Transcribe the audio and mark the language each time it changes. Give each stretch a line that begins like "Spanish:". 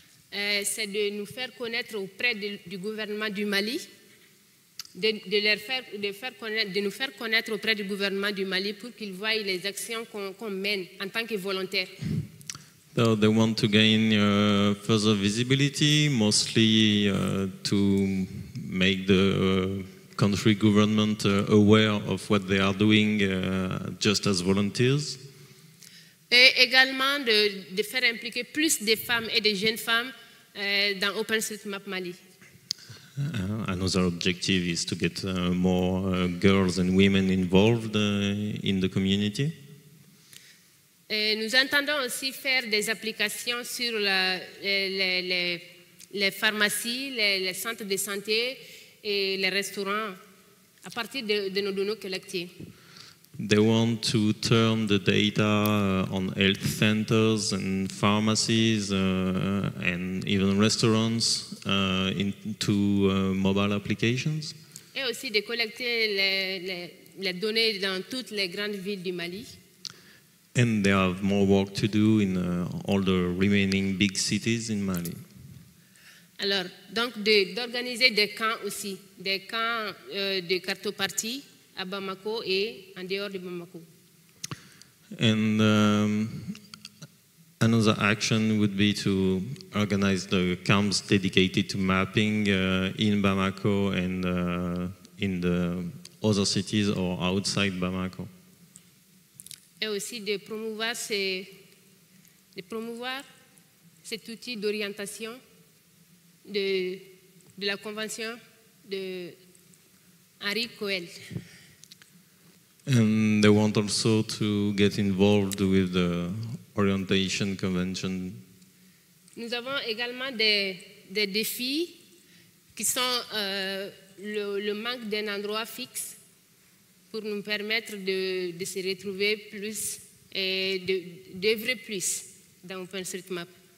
French: C'est de nous faire connaître auprès du gouvernement du Mali, de nous faire connaître auprès du gouvernement du Mali pour qu'ils voient les actions qu'on mène en tant que volontaires.
English: So they want to gain further visibility, mostly to make the country government aware of what they are doing just as volunteers.
French: Et également de faire impliquer plus de femmes et de jeunes femmes dans OpenStreetMap Mali.
English: Another objective is to get more girls and women involved in the community.
French: Et nous entendons aussi faire des applications sur les pharmacies, les centres de santé et les restaurants à partir de nos données collectées.
English: They want to turn the data on health centers and pharmacies and even restaurants into mobile applications.
French: Et aussi de collecter les données dans toutes les grandes villes du Mali.
English: And they have more work to do in all the remaining big cities in Mali.
French: Alors, donc d'organiser des camps aussi, des camps de cartopartie à Bamako et en dehors de Bamako.
English: And another action would be to organize the camps dedicated to mapping in Bamako and in the other cities or outside Bamako.
French: Et aussi de promouvoir cet outil d'orientation de la convention de Henri Coel.
English: And they want also to get involved with the orientation convention.
French: Nous avons également des défis qui sont le manque d'un endroit fixe pour nous permettre de se retrouver plus et d'œuvrer plus dans OpenStreetMap.